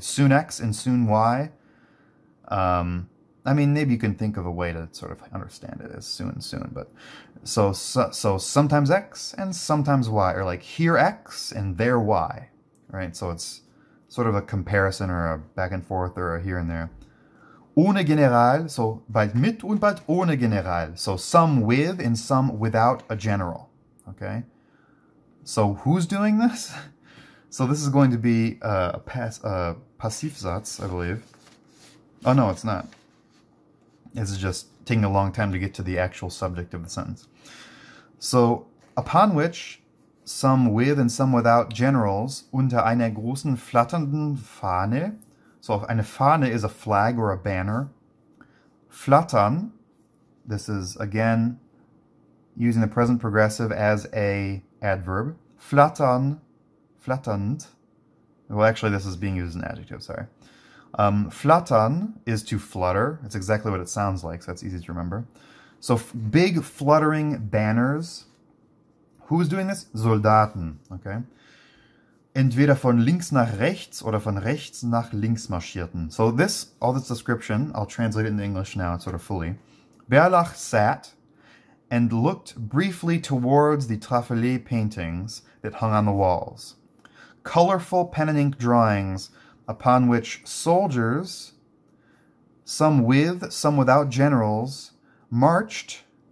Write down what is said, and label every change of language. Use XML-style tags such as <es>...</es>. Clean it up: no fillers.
<en>Soon X and soon Y. I mean, maybe you can think of a way to sort of understand it as soon, soon. But so sometimes X and sometimes Y, or like here X and there Y, right? So it's sort of a comparison or a back and forth or a here and there.</en> <de>Ohne General, so bald mit und bald ohne General.</de> <en>So some with and some without a general, okay? So who's doing this? So this is going to be a passivsatz, I believe. Oh, no, it's not. This is just taking a long time to get to the actual subject of the sentence. So upon which some with and some without generals</en> <de>unter einer großen flatternden Fahne.</de> <en>So eine Fahne is a flag or a banner. Flattern, this is, again, using the present progressive as a adverb. Flattern. Flatternd. Well, actually, this is being used as an adjective, sorry. Flattern is to flutter. It's exactly what it sounds like, so that's easy to remember. So big fluttering banners. Who's doing this?</en> <de>Soldaten, okay? Entweder von links nach rechts oder von rechts nach links marschierten.</de> <en>So this, all this description, I'll translate it into English now, sort of fully. Bärlach sat and looked briefly towards the Trafalé paintings that hung on the walls. Colorful pen and ink drawings upon which soldiers, some with, some without generals, marched.</en>